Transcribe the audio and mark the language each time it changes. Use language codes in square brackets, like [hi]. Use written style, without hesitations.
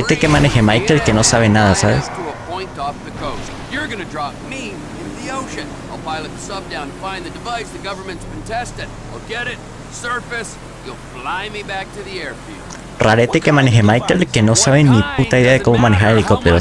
[es] Rarete que maneje Michael, que no sabe nada, ¿sabes? [en] To a point off the coast. You're gonna drop me in the ocean. I'll pilot the sub down to find the device the government's been testing. I'll get it. Surface, you'll fly me back to the airfield. [es] Rarete que maneje Michael, que no sabe ni puta idea de cómo manejar helicóptero,